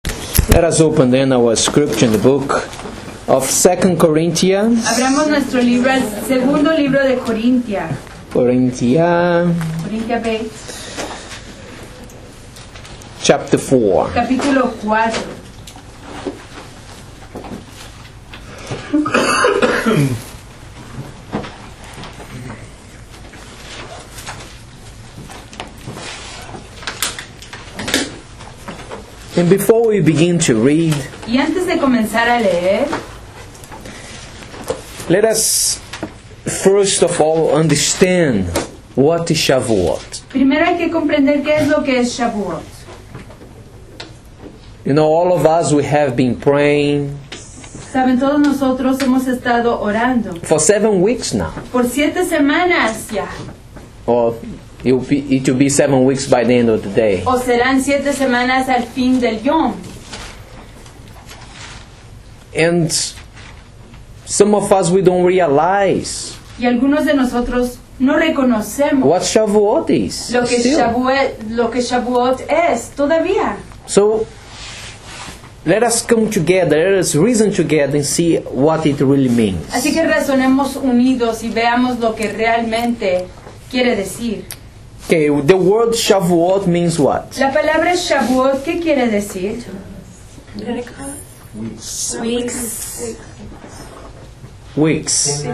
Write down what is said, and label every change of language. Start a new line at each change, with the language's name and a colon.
English: Let us open then our scripture in the book of 2 Corinthians.
Spanish: Abramos nuestro libro, el segundo libro de Corintia. Corintia B.
English: Chapter 4.
Spanish: Capítulo 4.
English: And before we begin to read,
Spanish: y antes de comenzar a leer,
English: let us first of all understand what is Shavuot.
Spanish: Primero hay que comprender qué es lo que es Shavuot.
English: You know, all of us, we have been praying.
Spanish: Saben, todos nosotros hemos estado orando.
English: For 7 weeks now.
Spanish: Por 7 semanas ya.
English: It will be 7 weeks by the end of the day.
Spanish: O serán 7 semanas al fin del Yom.
English: And some of us, we don't realize.
Spanish: Y algunos de nosotros no reconocemos.
English: What Shavuot is.
Spanish: Lo que Shavuot es todavía.
English: So, let us come together, let us reason together and see what it really means.
Spanish: Así que razonemos unidos y veamos lo que realmente quiere decir.
English: Okay, the word Shavuot means what?
Spanish: La palabra Shavuot, ¿qué quiere decir?
English: Weeks.